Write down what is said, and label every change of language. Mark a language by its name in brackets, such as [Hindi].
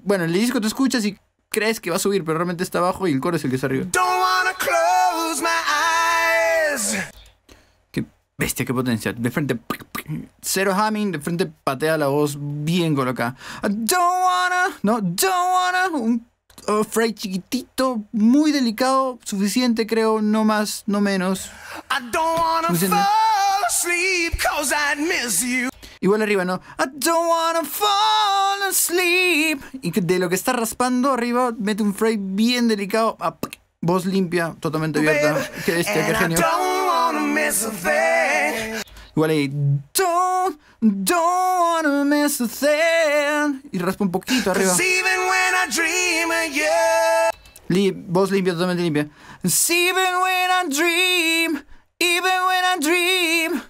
[Spanish] Bueno, el disco te escuchas y crees que va a subir, pero realmente está abajo y el coro es el que está arriba. [English] Don't wanna close my eyes. [Spanish] Qué bestia, qué potencia. De frente. Cero humming, de frente patea la voz bien colocada. [English] I don't wanna, no, don't wanna. [Spanish] Un fray chiquitito, muy delicado, suficiente creo, no más, no menos. [English] I don't wanna [Spanish] suficiente. [English] Fall asleep cause I'd miss you. [Spanish] Igual arriba, ¿no? [English] I don't wanna fall asleep. [Spanish] Y de lo que está raspando arriba, mete un fray bien delicado, a voz limpia, totalmente abierta. Qué bestia, qué genio. [English] I don't wanna miss a thing. [Spanish] Igual ahí, [English] don't wanna miss a thing. [Spanish] Y raspa un poquito arriba. [English] Even when I dream of you. [Spanish] Voz limpia, totalmente limpia. [English] Even when I dream, even when I dream.